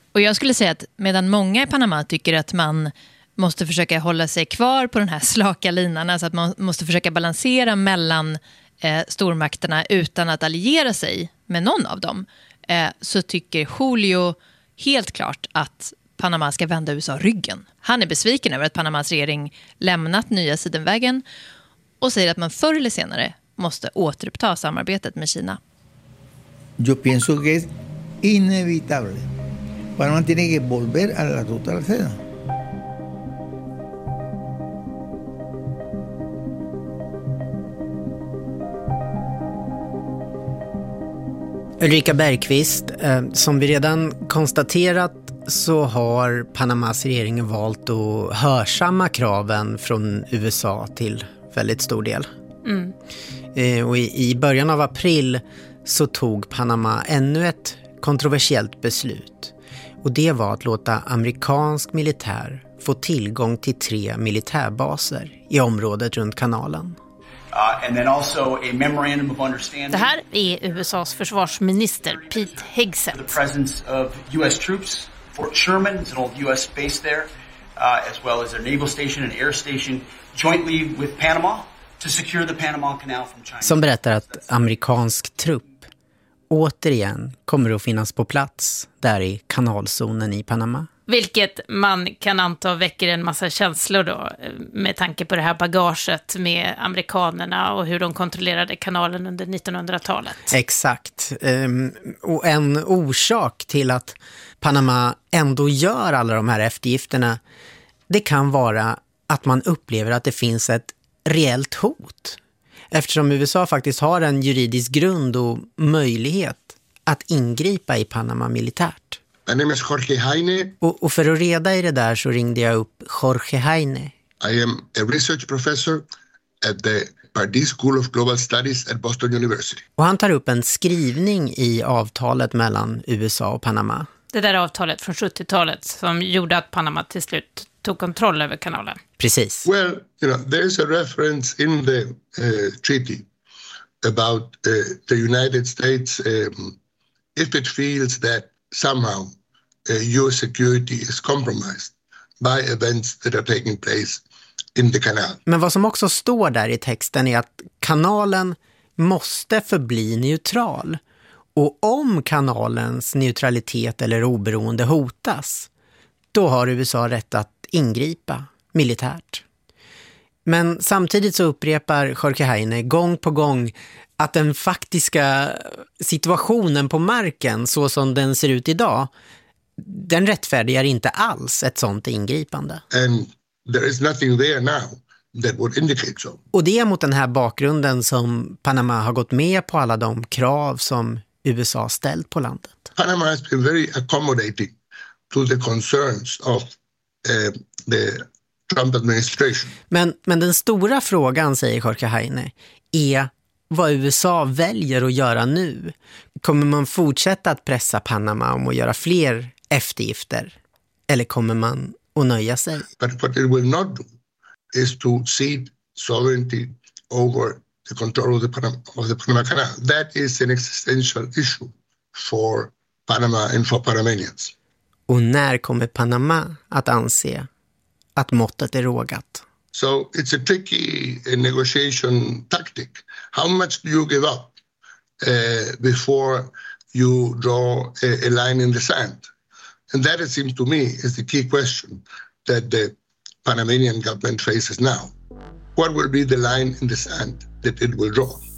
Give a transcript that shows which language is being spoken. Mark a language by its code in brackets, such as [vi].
[sv] Och jag skulle säga att medan många i Panama tycker att man måste försöka hålla sig kvar på den här slaka linan, alltså att man måste försöka balansera mellan stormakterna utan att alliera sig med någon av dem, så tycker Julio helt klart att Panama ska vända USA ryggen. Han är besviken över att Panamas regering lämnat nya sidenvägen och säger att man förr eller senare måste återuppta samarbetet med Kina. [es] Jag pienso que es inevitable. Panama tiene que volver a la ruta de la seda. [sv] Ulrika Bergqvist, som vi redan konstaterat så har Panamas regering valt att hörsamma kraven från USA till väldigt stor del. Mm. Och i början av april så tog Panama ännu ett kontroversiellt beslut. Och det var att låta amerikansk militär få tillgång till 3 militärbaser i området runt kanalen. Det här är USA:s försvarsminister Pete Hegseth. [en] The presence of US troops, Fort Sherman is an old US base there, as well as their naval station and air station jointly with Panama to secure the Panama Canal from China. [sv] Som berättar att amerikansk trupp återigen kommer att finnas på plats där i kanalzonen i Panama. Vilket man kan anta väcker en massa känslor då, med tanke på det här bagaget med amerikanerna och hur de kontrollerade kanalen under 1900-talet. Exakt. Och en orsak till att Panama ändå gör alla de här eftergifterna, det kan vara att man upplever att det finns ett reellt hot. Eftersom USA faktiskt har en juridisk grund och möjlighet att ingripa i Panama militärt. [en] My name is Jorge Heine. [sv] Och för att reda i det där så ringde jag upp Jorge Heine. [en] I am a research professor at the Pardee School of Global Studies at Boston University. [sv] Och han tar upp en skrivning i avtalet mellan USA och Panama. Det där avtalet från 70-talet som gjorde att Panama till slut tog kontroll över kanalen. Precis. [en] Well, you know, there is a reference in the treaty about the United States if it feels that somehow your security is compromised by events that are taking place in the canal. [sv] Men vad som också står där i texten är att kanalen måste förbli neutral. Och om kanalens neutralitet eller oberoende hotas, då har USA rätt att ingripa militärt. Men samtidigt så upprepar Jorge Heine gång på gång att den faktiska situationen på marken, så som den ser ut idag, den rättfärdigar inte alls ett sånt ingripande. [en] And there is nothing there now that would indicate so. [sv] Och det är mot den här bakgrunden som Panama har gått med på alla de krav som USA ställt på landet. [en] Panama has been very accommodating to the concerns of the Trump administration. [sv] Men den stora frågan, säger Jorge Heine, är vad USA väljer att göra nu. Kommer man fortsätta att pressa Panama om att göra fler eftergifter? Eller kommer man att nöja sig? [en] But what it will not do is to cede sovereignty over the control of the Panama Canal. That is an existential issue for Panama and for Panamanians. [sv] Och när kommer Panama att anse att måttet är rågat? [en] So it's a tricky negotiation tactic. How much do you give up before you draw a line in the sand? And that, it seems to me, is the key question that the Panamanian government faces now. What will be the line in the sand that it will draw?